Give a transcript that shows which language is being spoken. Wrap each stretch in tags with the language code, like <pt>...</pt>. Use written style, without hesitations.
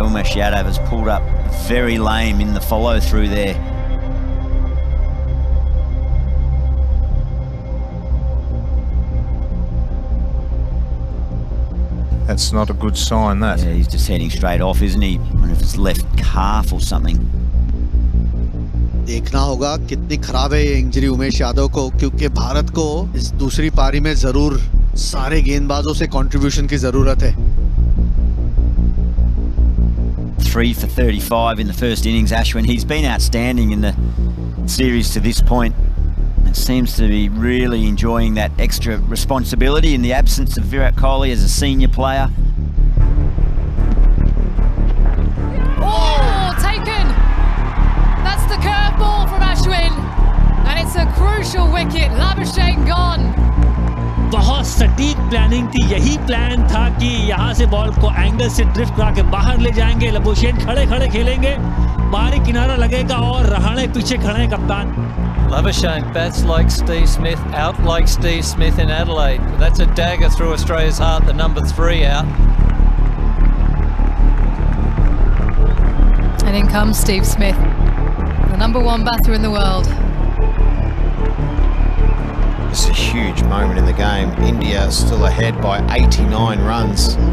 <en>Umesh Yadav has pulled up very lame in the follow through there. That's not a good sign, that. Yeah, he's just heading straight off, isn't he? I wonder if it's left calf or something.</en> <hi>देखना होगा कितनी खराब है ये injury Umesh Yadav को क्योंकि भारत को इस दूसरी पारी में जरूर सारे गेंदबाजों से कंट्रीब्यूशन की जरूरत है.</hi> <en>3 for 35 in the first innings, Ashwin. He's been outstanding in the series to this point and seems to be really enjoying that extra responsibility in the absence of Virat Kohli as a senior player. Oh, taken! That's the curveball from Ashwin and it's a crucial wicket. Labuschagne gone.</en> <hi>बहुत सटीक planning थी यही plan था कि यहां से ball को angle से ड्रिफ्ट करा के बाहर ले जाएंगे लबुशेन खड़े खड़े खेलेंगे बाहरी किनारा लगेगा और रहाणे पीछे खड़े हैं कप्तान</hi> <en>Labuschagne bats like Steve Smith out like Steve Smith in Adelaide that's a dagger through Australia's heart the number 3 out and in comes Steve Smith the number 1 batter in the world It's a huge moment in the game. India still ahead by 89 runs.</en>